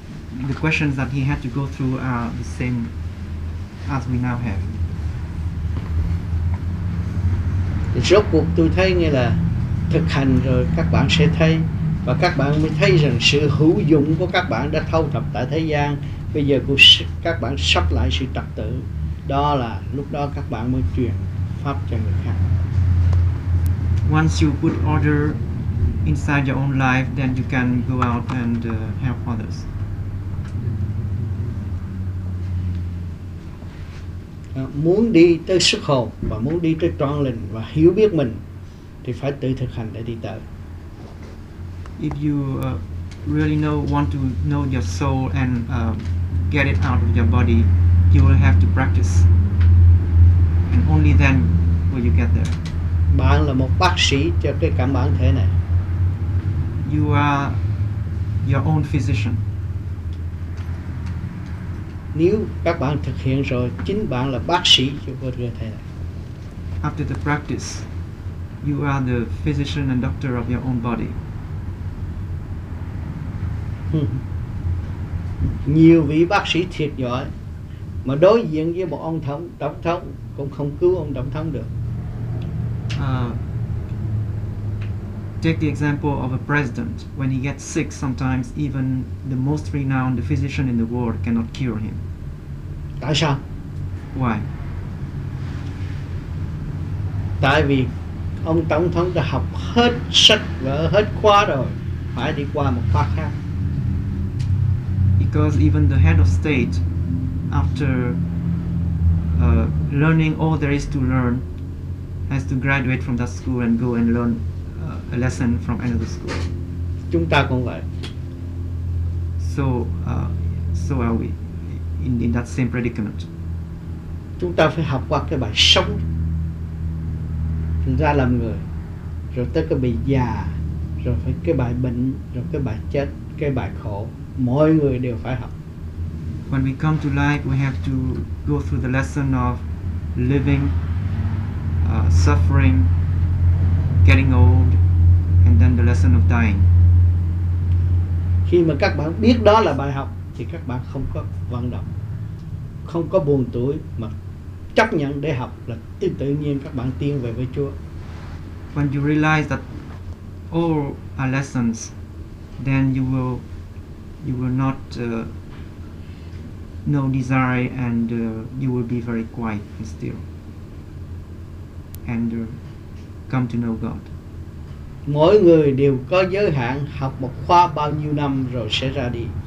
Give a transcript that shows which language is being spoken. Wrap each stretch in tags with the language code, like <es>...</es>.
<en>The questions that he had to go through are the same as we now have.</en> <vi>Thì rốt cuộc tôi thấy như là thực hành rồi các bạn sẽ thấy, và các bạn mới thấy rằng sự hữu dụng của các bạn đã thâu thập tại thế gian. Bây giờ các bạn sắp lại sự trật tự, đó là lúc đó các bạn mới truyền pháp cho người khác.</vi> <en>Once you put order inside your own life, then you can go out and help others.</en> <vi>Muốn đi tới xuất hồn và muốn đi tới trọn lành và hiểu biết mình thì phải tự thực hành để đi tới.</vi> <en>If you really want to know your soul and get it out of your body, you will have to practice, and only then will you get there.</en> <vi>Bạn là một bác sĩ cho cái cảm bản thể này.</vi> <en>You are your own physician.</en> <vi>Nếu các bạn thực hiện rồi, chính bạn là bác sĩ cho cơ thể này.</vi> <en>After the practice, you are the physician and doctor of your own body.</en> <vi>Nhiều vị bác sĩ thiệt giỏi mà đối diện với một ông thống, tổng thống cũng không cứu ông tổng thống được.</vi> <en>Take the example of a president. When he gets sick, sometimes even the most renowned physician in the world cannot cure him.</en> <vi>Tại sao?</vi> <en>Why?</en> <vi>Tại vì ông tổng thống đã học hết sách vở, hết khóa rồi, phải đi qua một khóa khác.</vi> <en>Because even the head of state, after learning all there is to learn, has to graduate from that school and go and learn a lesson from another school.</en> <vi>Chúng ta cũng vậy.</vi> <en>So are we in that same predicament.</en> <vi>chúng ta phải học qua cái bài sống ra làm người, rồi tới cái bài già, rồi phải cái bài bệnh, rồi cái bài chết, cái bài khổ, mọi người đều phải học.</vi> <en>When we come to life, we have to go through the lesson of living, suffering, getting old, and then the lesson of dying.</en> <vi>Khi mà các bạn biết đó là bài học, thì các bạn không có vận động, không có buồn tuổi, mà chấp nhận để học là tự nhiên các bạn tiến về với Chúa.</vi> <en>When you realize that all are lessons, then you will not no desire, and you will be very quiet and still, and come to know God.</en> <vi>Mỗi người đều có giới hạn, học một khóa bao nhiêu năm rồi sẽ ra đi.</vi>